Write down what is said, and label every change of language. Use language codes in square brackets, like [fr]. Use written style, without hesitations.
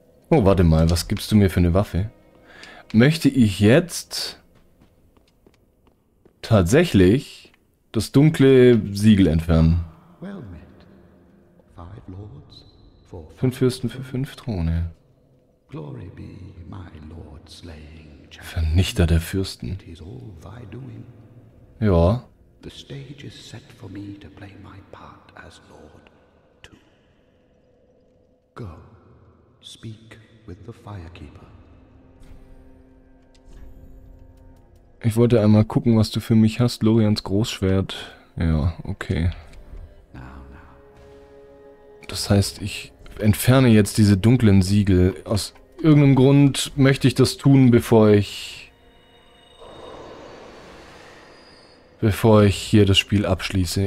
[de] Oh, warte mal, was gibst du mir für eine Waffe? Möchte ich jetzt tatsächlich das dunkle Siegel entfernen? [en] Well met, five lords, [de] Fünf Fürsten für fünf Throne. [en] Glory be, my Lord slaying champion. [de] Vernichter der Fürsten. [en] It is all thy doing. [de] Ja. [en] The stage is set for me to play my part as Lord too. Go, speak with the Firekeeper. [de] Ich wollte einmal gucken, was du für mich hast, Lorians Großschwert. Ja, okay. Das heißt, ich entferne jetzt diese dunklen Siegel. Aus irgendeinem Grund möchte ich das tun, bevor ich hier das Spiel abschließe.